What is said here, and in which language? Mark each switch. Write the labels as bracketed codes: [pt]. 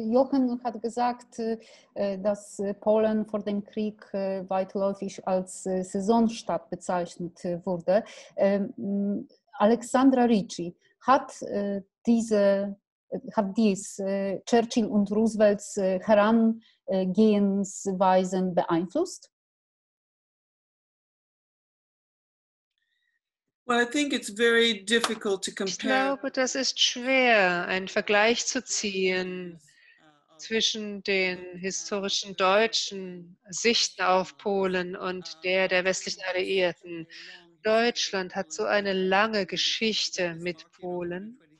[de] Jochen hat gesagt, dass Polen vor dem Krieg weitläufig als Saisonstadt bezeichnet wurde. Alexandra Ricci, hat dies Churchill und Roosevelts Herangehensweisen beeinflusst? [en] Well, I think it's very difficult to compare. [de] Ich glaube, das ist schwer, einen Vergleich zu ziehen zwischen den historischen deutschen Sichten auf Polen und der westlichen Alliierten. Deutschland hat so eine lange Geschichte mit Polen.